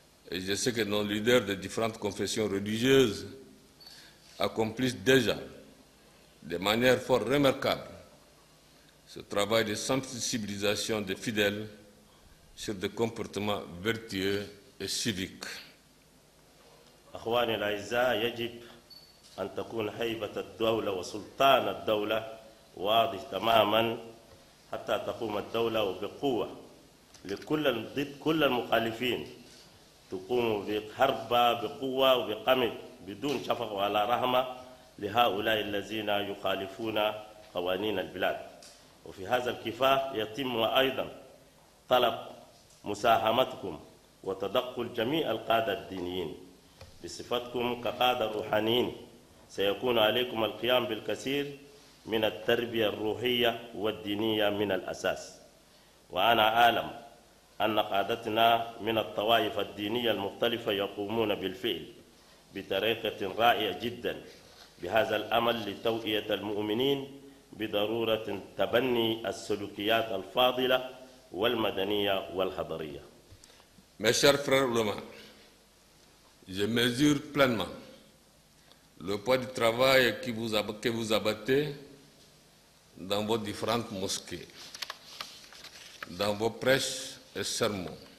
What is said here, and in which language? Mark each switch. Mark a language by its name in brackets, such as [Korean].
[French] Et je sais que nos leaders de différentes confessions religieuses accomplissent déjà de manière fort remarquable ce travail de sensibilisation des fidèles sur des comportements vertueux et civiques. [Arabic] أخواني الأعزاء، يجب أن تكون هيبة الدولة وسلطان الدولة واضح تماما حتى تقوم الدولة بقوة ضد كل المخالفين تقوم بحرب بقوة وبقمع بدون شفقة ولا رحمة لهؤلاء الذين يخالفون قوانين البلاد. وفي هذا الكفاح يتم أيضا طلب مساهمتكم وتدخل جميع القادة الدينيين بصفتكم كقادة روحانيين. سيكون عليكم القيام بالكثير من التربية الروحية والدينية من الأساس. وأنا أعلم أن قادتنا من الطوائف الدينية المختلفة يقومون بالفعل بطريقة رائعة جدا بهذا الأمل لتوعية المؤمنين بضرورة تبني السلوكيات الفاضلة والمدنية والحضرية. [French] Mes chers frères ulama, je mesure pleinement le poids du travail que vous abattez dans vos différentes mosquées, dans vos prêches et sermons.